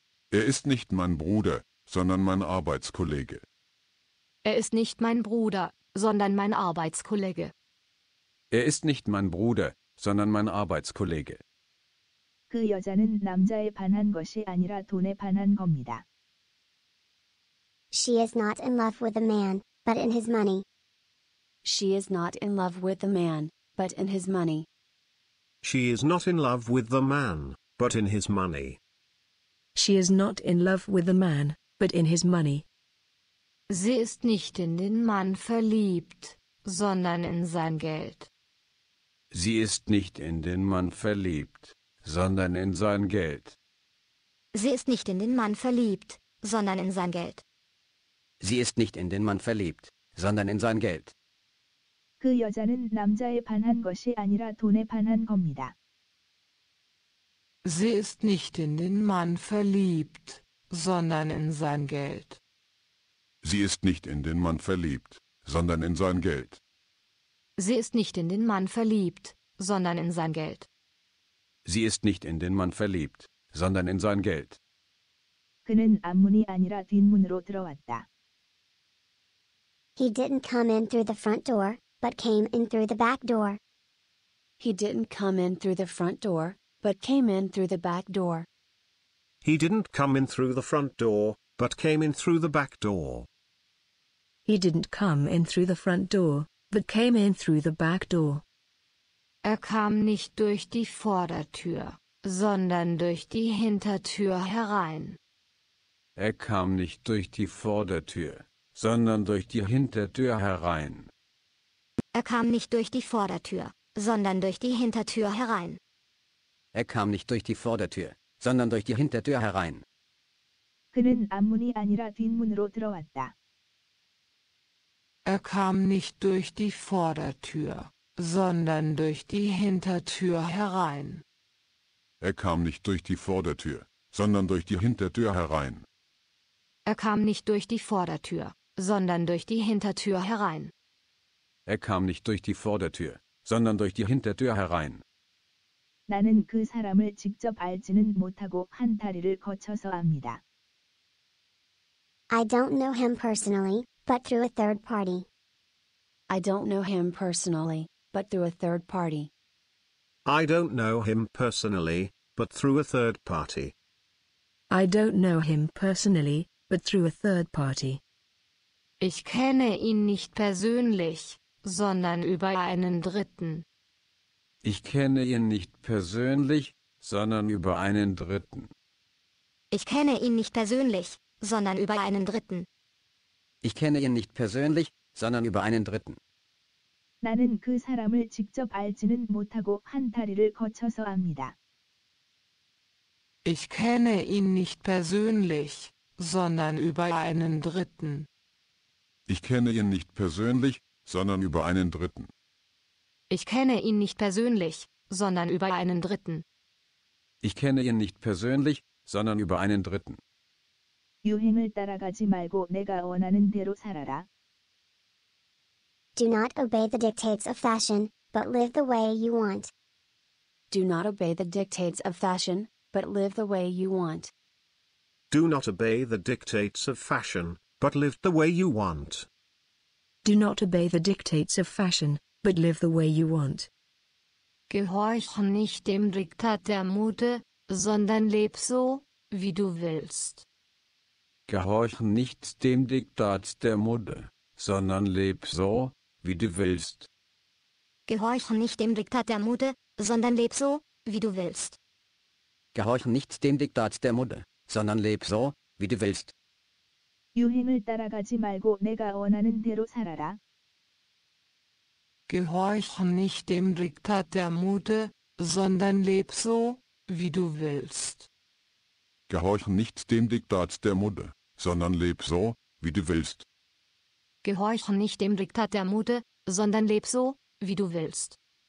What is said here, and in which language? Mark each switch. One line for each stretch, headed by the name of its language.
German: Ist nicht mein Bruder, sondern mein Arbeitskollege. Ist nicht mein Bruder, sondern mein Arbeitskollege. Ist nicht mein Bruder, sondern mein Arbeitskollege.
Korean: 그 여자는 남자에 반한 것이 아니라 돈에 반한 겁니다.
English: She is not in love with a man, but in his money. She is not in love with a man, but in his money. She is not in love with the man, but in his money. She is not in love with the man, but in his money.
German: Sie ist nicht in den Mann verliebt, sondern in sein Geld. Sie ist nicht in den Mann verliebt, sondern in sein Geld. Sie ist nicht in den Mann verliebt, sondern in sein Geld. Sie ist nicht in den Mann verliebt, sondern in sein Geld.
Korean: 그 여자는 남자에 반한 것이 아니라 돈에 반한 겁니다.
German: Sie ist nicht in den Mann verliebt, sondern in sein Geld. Sie ist nicht in den Mann verliebt, sondern in sein Geld. Sie ist nicht in den Mann verliebt, sondern in sein Geld. Sie ist nicht in den Mann verliebt, sondern in sein Geld.
Korean: 그는 앞문이 아니라 뒷문으로 들어왔다.
English: He didn't come in through the front door, but came in through the back door. He didn't come in through the front door, but came in through the back door. He didn't come in through the front door, but came in through the back door. He didn't come in through the front door, but came in through the back door.
German: Kam nicht durch die Vordertür, sondern durch die Hintertür herein. Kam nicht durch die Vordertür, sondern durch die Hintertür herein. Kam nicht durch die Vordertür, sondern durch die Hintertür herein. Kam nicht durch die Vordertür, sondern durch die Hintertür herein.
Korean: 그는 앞문이 아니라 뒷문으로 들어왔다.
German: Kam nicht durch die Vordertür, sondern durch die Hintertür herein. Kam nicht durch die Vordertür, sondern durch die Hintertür herein. Kam nicht durch die Vordertür, sondern durch die Hintertür herein. Kam nicht durch die Vordertür, sondern durch die Hintertür herein.
Korean: 나는 그 사람을 직접 알지는 못하고 한 다리를 거쳐서 압니다.
English: I don't know him personally, but through a third party. I don't know him personally, but through a third party. I don't know him personally, but through a third party. I don't know him personally, but through a third party.
German: Ich kenne ihn nicht persönlich, sondern über einen Dritten. Ich kenne ihn nicht persönlich, sondern über einen Dritten. Ich kenne ihn nicht persönlich, sondern über einen Dritten. Ich kenne ihn nicht persönlich, sondern über einen Dritten.
Korean: 나는 그 사람을 직접 알지는 못하고 한 다리를 거쳐서 압니다.
German: Ich kenne ihn nicht persönlich, sondern über einen Dritten. Ich kenne ihn nicht persönlich, sondern über einen Dritten. Ich kenne ihn nicht persönlich, sondern über einen Dritten. Ich kenne ihn nicht persönlich, sondern über einen Dritten.
Korean: 유행을 따라가지 말고 내가 원하는 대로 살아라.
English: Do not obey the dictates of fashion, but live the way you want. Do not obey the dictates of fashion, but live the way you want. Do not obey the dictates of fashion, but live the way you want. Do not obey the dictates of fashion, but live the way you want.
German: Gehorchen nicht dem Diktat der Mode, sondern leb so, wie du willst. Gehorchen nicht dem Diktat der Mode, sondern leb so, wie du willst. Gehorchen nicht dem Diktat der Mode, sondern leb so, wie du willst. Gehorchen nicht dem Diktat der Mode, sondern leb so, wie du willst.
Korean: 유행을 따라가지 말고 내가 원하는 대로 살아라.
German: Gehorchen nicht dem Diktat der Mode, sondern leb so, wie du willst. Gehorchen nicht dem Diktat der Mode, sondern leb so, wie du willst. Gehorchen nicht dem Diktat der Mode, sondern leb so, wie du willst.